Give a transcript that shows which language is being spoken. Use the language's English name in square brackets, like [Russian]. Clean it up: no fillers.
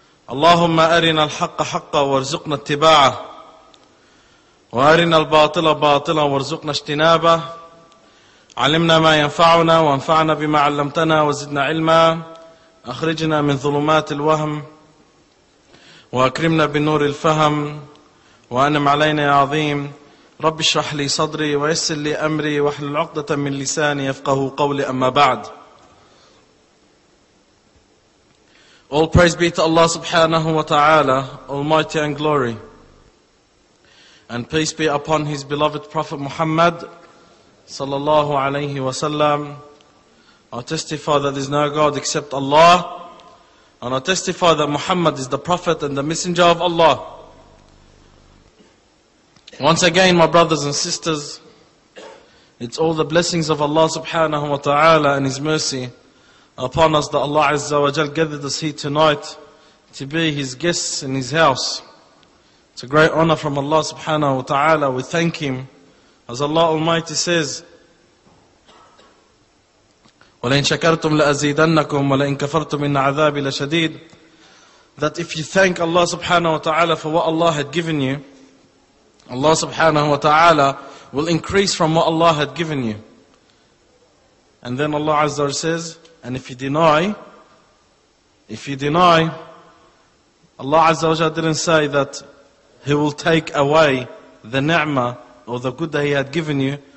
[Arabic] اللهم أرنا الحق حقا وارزقنا اتباعه، وأرنا الباطل باطلا وارزقنا اجتنابه، علمنا ما ينفعنا وانفعنا بما علمتنا وزدنا علما، أخرجنا من ظلمات الوهم وأكرمنا بنور الفهم، وأنعم علينا يا عظيم. رب اشرح لي صدري ويسر لي أمري واحلل عقدة من لساني يفقه قولي. أما بعد، [English] All praise be to Allah subhanahu wa ta'ala, Almighty and Glory. And peace be upon His beloved Prophet Muhammad sallallahu alayhi wa sallam. I testify that there is no God except Allah, and I testify that Muhammad is the Prophet and the Messenger of Allah. Once again, my brothers and sisters, it's all the blessings of Allah subhanahu wa ta'ala and His mercy upon us that Allah Azza wa Jal gathered us here tonight to be His guests in His house. It's a great honor from Allah subhanahu wa ta'ala. We thank Him. As Allah Almighty says, [Arabic] وَلَئِن شَكَرْتُمْ لَأَزِيدَنَّكُمْ وَلَئِن كَفَرْتُمْ إِنَّ عَذَابِ لَشَدِيدٌ. [English] That if you thank Allah subhanahu wa ta'ala for what Allah had given you, Allah subhanahu wa ta'ala will increase from what Allah had given you. And then Allah Azza wa Jal says, and if you deny, Allah Azza wa Jalla didn't say that He will take away the ni'mah or the good that He had given you.